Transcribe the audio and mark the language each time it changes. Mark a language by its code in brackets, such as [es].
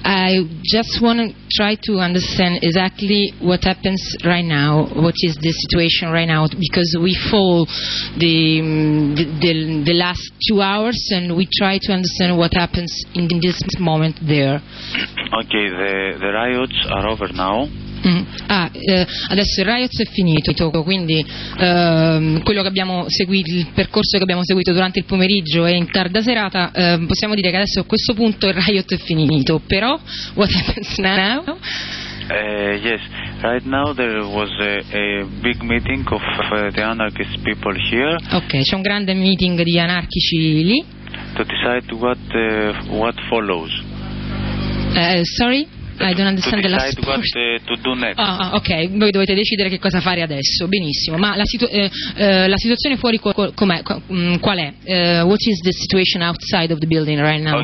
[en] I just want to try to understand exactly what happens right now, what is the situation right now, because we follow the last 2 hours and we try to understand what happens in this moment there. Okay, the riots are over now. Mm. [it] Adesso il riot è finito, quindi quello che abbiamo seguito, il percorso che abbiamo seguito durante il pomeriggio e in tarda serata, possiamo dire che adesso a questo punto il riot è finito. Però [en] what happens now? Yes, right now there was a big meeting of the anarchist people here. [it] Ok, c'è un grande meeting di anarchici lì. [en] To decide what follows. Sorry? I don't understand the last part. To do next. [it] Ok, voi dovete decidere che cosa fare adesso. Benissimo. Ma la situazione fuori com'è? Qual è? [en] What is the situation outside of the building right now?